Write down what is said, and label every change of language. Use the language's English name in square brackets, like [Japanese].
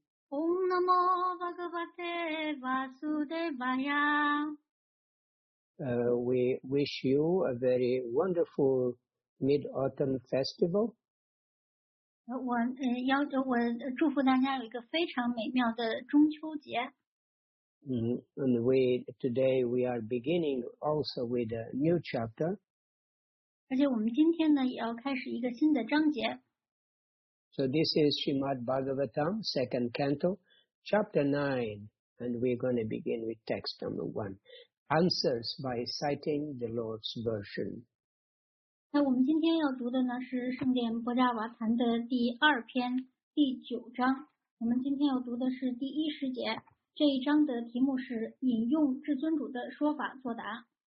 [Sanskrit] Om Namo Bhagavate Vasudevaya。 [English] We wish you a very wonderful Mid-Autumn Festival。 [Chinese] 我祝福大家有一个非常美妙的中秋节。 [English] And today we are beginning also with a new chapter。 [Chinese] 而且我们今天呢也要开始一个新的章节。 [English] So this is Srimad Bhagavatam, second canto, chapter 9, and we're going to begin with text number 1, answers by citing the Lord's version。 [Chinese] 那我们今天要读的呢是圣殿波迦瓦坛的第二篇第九章。我们今天要读的是第一十节，这一章的题目是引用至尊主的说法作答。